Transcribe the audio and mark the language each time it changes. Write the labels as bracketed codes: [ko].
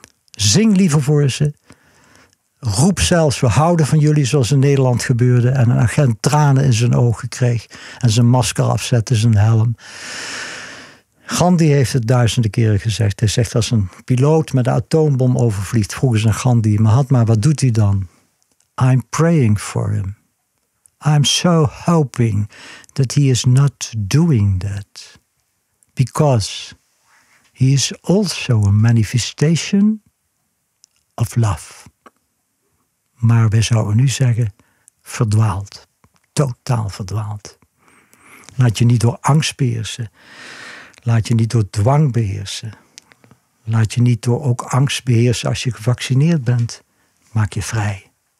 [nl] Zing liever voor ze. Roep zelfs, we houden van jullie zoals in Nederland gebeurde. En een agent tranen in zijn ogen kreeg. En zijn masker afzette, zijn helm. Gandhi heeft het duizenden keren gezegd. Hij zegt, als een piloot met een atoombom overvliegt, vroegen ze aan Gandhi, Mahatma, wat doet hij dan? [en] I'm praying for him. I'm so hoping that he is not doing that. Because he is also a manifestation of love. [nl] Maar we zouden nu zeggen, verdwaald. Totaal verdwaald. Laat je niet door angst beheersen. Laat je niet door dwang beheersen. Laat je niet door ook angst beheersen als je gevaccineerd bent. Maak je vrij.